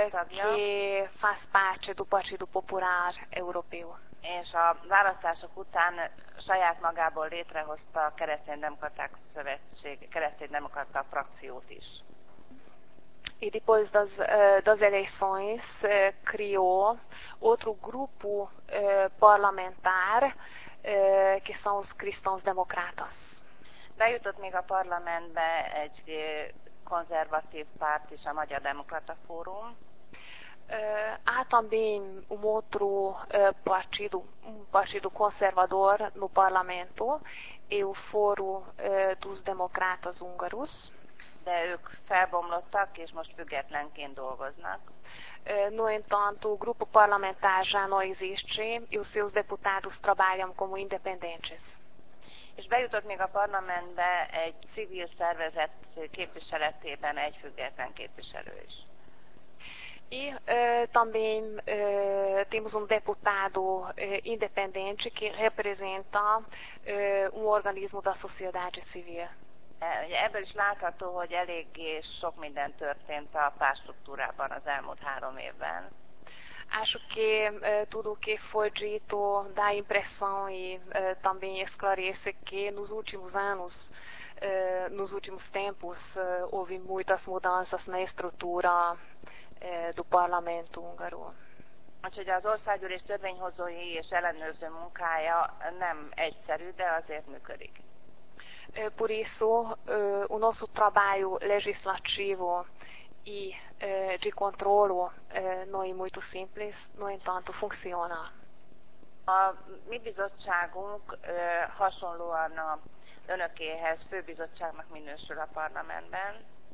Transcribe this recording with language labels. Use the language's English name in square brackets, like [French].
[Portuguese] Que faz parte do Partido Popular Europeu. [Hungarian] És a választások után saját magából létrehozta a Kereszténydemokraták Szövetség, Kereszténydemokrata frakciót is. [Portuguese] E depois das eleições criou outro grupo parlamentar que são os Cristãos Democratas. [Hungarian] Bejutott még a parlamentbe egy konzervatív párt is, a Magyar Demokrata Fórum. [Portuguese] Há também outro partido, partido conservador no parlamento, e o Fórum dos Democratas Húngaros. [Hungarian] De ők felbomlottak, és most függetlenként dolgoznak. [Portuguese] No entanto, o grupo parlamentar já não existe, e os seus deputados trabalham como independentes. [Hungarian] És bejutott még a parlamentbe egy civil szervezet képviseletében egy független képviselő is. [Portuguese] E também temos deputado independente que representa organismo da sociedade civil. [Hungarian] Ebből is látható, hogy eléggé sok minden történt a pártstruktúrában az elmúlt 3 évben. [Portuguese] Acho que tudo o que foi dito dá a impressão e também esclarece que nos últimos anos, nos últimos tempos, houve muitas mudanças na estrutura do parlamento húngaro. [Hungarian] Úgyhogy az országgyűlés törvényhozói és ellenőrző munkája nem egyszerű, de azért működik. [Portuguese] Por isso, o nosso trabalho legislativo e de controlo não é muito simples, no entanto, funciona. [Hungarian] A mi bizottságunk hasonlóan a önökéhez főbizottságnak minősül a parlamentben.